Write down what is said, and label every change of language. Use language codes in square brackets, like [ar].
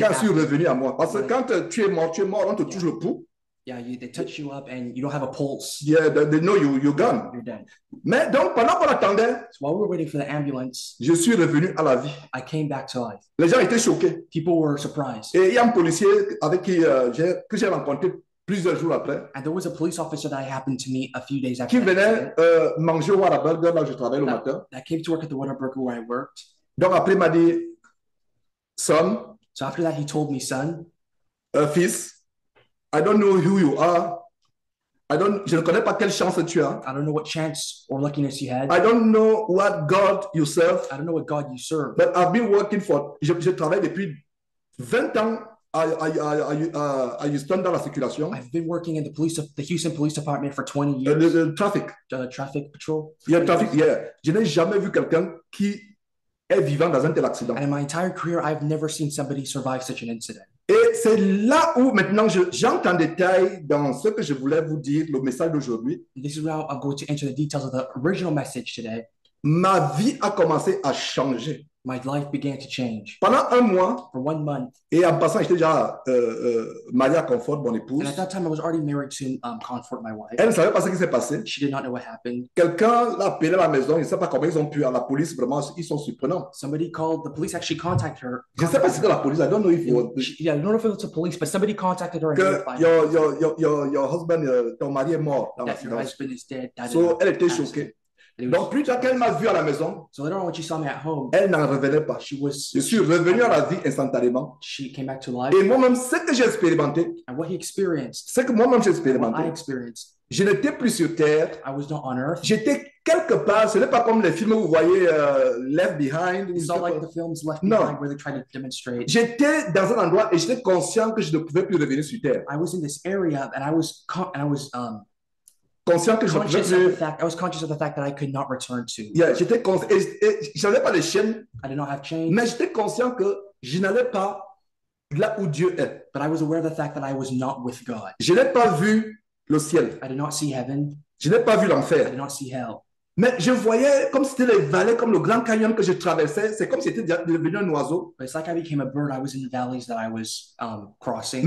[fr] quand je suis revenu à moi parce que quand tu es mort, on te touche le pouls. [en] Yeah, they touch you up and you don't have a pulse. Yeah, they know you're gone. You're dead. [fr] Mais donc, pendant qu'on attendait, [en] so while we were waiting for the ambulance, [fr] je suis revenu à la vie. [en] I came back to life. [fr] Les gens étaient choqués. [en] People were surprised. [fr] Et il y a un policier avec qui j'ai rencontré plusieurs jours après. [en] And there was a police officer that I happened to meet a few days after. [fr] Qui venait manger au Whataburger là où je travaillais le matin. [en] That came to work at the Whataburger where I worked. [fr] Donc après, il m'a dit, son. [en] So after that, he told me, son. Fils. I don't know who you are. [fr] Je ne connais pas quelle chance tu as. [en] I don't know what chance or luckiness you had. I don't know what God you serve. I don't know what God you serve. But I've been working for, [fr] je travaille depuis 20 ans à Houston dans la circulation. [en] I've been working in the Houston Police Department for 20 years. The traffic. The traffic patrol. Yeah, traffic, years. Yeah. [fr] Je n'ai jamais vu quelqu'un qui est vivant dans un tel accident. [en] And in my entire career, I've never seen somebody survive such an incident. [fr] Et c'est là où maintenant j'entre en détail dans ce que je voulais vous dire, le message d'aujourd'hui. [en] This is where I'm going to enter the details of the original message today. [fr] Ma vie a commencé à changer. [en] My life began to change. [fr] Pendant un mois. [en] For 1 month. [fr] Et en passant, j'étais déjà marié à Comfort, mon épouse. [en] And at that time, I was already married to Comfort, my wife. [fr] Elle ne savait pas ce qui s'est passé. She did not know what happened. Quelqu'un l'a appelé à la maison. Je ne sais pas comment ils ont pu à la police. Vraiment, ils sont surprenants. [en] Somebody called the police. Actually, contacted her. [fr] Je ne sais pas si c'était la police. [en] I don't know if it was. Yeah, I don't know if it was the police, but somebody contacted her. [fr] Que [en] your husband, [fr] ton mari est mort. [en] That your husband is dead. So [fr] elle était choquée. Donc, plus tard qu'elle m'a vu à la maison, [en] so later on, when she saw me at home, [fr] elle n'en revenait pas. [en] She was, [fr] je suis revenu à la vie instantanément. [en] She came back to life. [fr] Et moi-même, ce que j'ai expérimenté, [en] and what he experienced, [fr] ce que moi-même j'ai expérimenté, [en] what I experienced, [fr] je n'étais plus sur terre. [en] I was not on earth. [fr] J'étais quelque part, ce n'est pas comme les films où vous voyez Left Behind. [en] It's not like the films Left Behind where they try to demonstrate. [fr] J'étais dans un endroit et j'étais conscient que je ne pouvais plus revenir sur terre. [en] I was in this area and I was [fr] conscient que [en] I was conscious of the fact that I could not return to. [fr] Yeah, j'étais conscient. Je n'avais pas les chaînes. [en] I did not have chains. [fr] Mais j'étais conscient que je n'allais pas là où Dieu est. [en] But I was aware of the fact that I was not with God. [fr] Je n'ai pas vu le ciel. [en] I did not see heaven. [fr] Je n'ai pas vu l'enfer. [en] I did not see hell. [fr] Mais je voyais comme c'était les vallées, comme le grand canyon que je traversais. C'est comme si j'étais devenu un oiseau. [en] But it's like I became a bird. I was in the valleys that I was crossing.